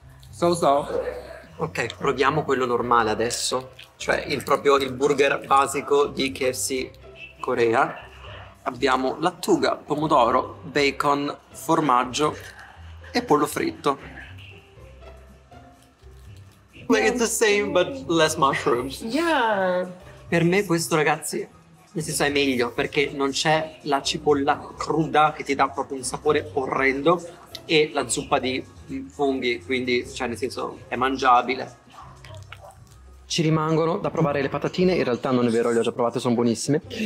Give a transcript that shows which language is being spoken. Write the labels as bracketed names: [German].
[English] So. [Italian] Ok, proviamo quello normale adesso. Cioè, il burger basico di KFC Corea. Abbiamo lattuga, pomodoro, bacon, formaggio e pollo fritto. [English] Like, it's the same but less mushrooms. Yeah. [Italian] Per me questo, ragazzi, nel senso, è meglio, perché non c'è la cipolla cruda che ti dà proprio un sapore orrendo e la zuppa di funghi, quindi, cioè, nel senso, è mangiabile. Ci rimangono da provare le patatine. In realtà non è vero, le ho già provate, sono buonissime.